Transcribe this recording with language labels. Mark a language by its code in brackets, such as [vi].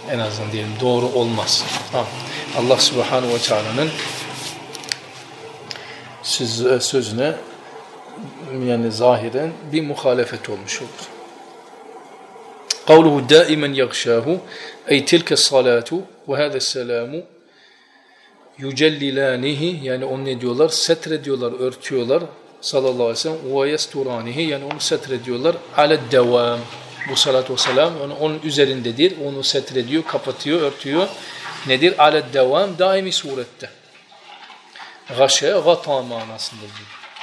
[tr] En azından diyelim doğru olmaz. Allah Subhanahu ve Teala'nın sözüne yani zahiren bir muhalefet olmuş olur. [ar] قَوْلُهُ دَائِمًا يَغْشَاهُ اَيْ تِلْكَ الصَّلَاتُ وَهَذَا السَّلَامُ يُجَلِّلَانِهِ [tr] Yani onu ne diyorlar? Setre diyorlar, örtüyorlar. Sallallahu aleyhi ve sellem. وَيَسْتُرَانِهِ Yani onu setre diyorlar. [ar] عَلَى الدَّوَامِ [tr] Bu salatu vesselam yani onun üzerindedir. Onu setrediyor, kapatıyor, örtüyor. Nedir? Aled devam daimi surette. Gaşe, gata manasında diyor.